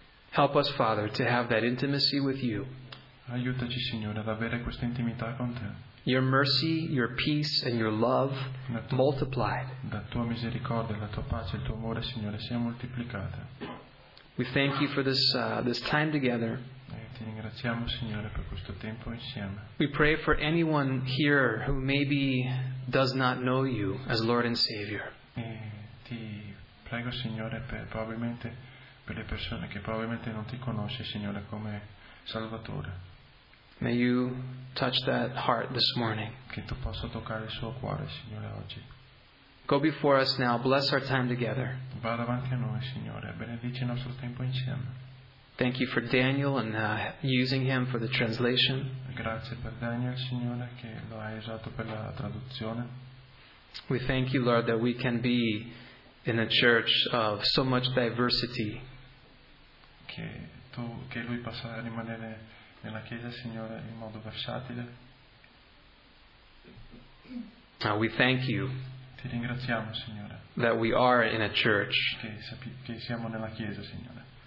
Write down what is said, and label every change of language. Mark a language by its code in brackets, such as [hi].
[en] Help us, Father, to have that intimacy with you. [it] Aiutaci, Signore, ad avere questa intimità con te. [en] Your mercy, your peace, and your love multiplied. [it] La tua misericordia, la tua pace, il tuo amore, Signore, sia moltiplicata. [en] We thank you for this time together. [it] E ti ringraziamo, Signore, per questo tempo insieme. [en] We pray for anyone here who maybe does not know you as Lord and Savior. [it] E ti prego, Signore, per le persone che probabilmente non ti conosce, Signore, come Salvatore. [en] May you touch that heart this morning. [it] Che tu possa toccare il suo cuore, Signore, oggi. [en] Go before us now. Bless our time together. [it] Va davanti a noi, Signore. Benedici il nostro tempo insieme. [en] Thank you for Daniel and using him for the translation. [it] Grazie per Daniel, Signore, che lo hai usato per la traduzione. [en] We thank you, Lord, that we can be in a church of so much diversity. [it] Che lui possa rimanere nella chiesa, Signore, in modo versatile. [en] We thank you. [it] Ti ringraziamo, Signore. [en] That we are in a church. [it] Che siamo nella chiesa, Signore.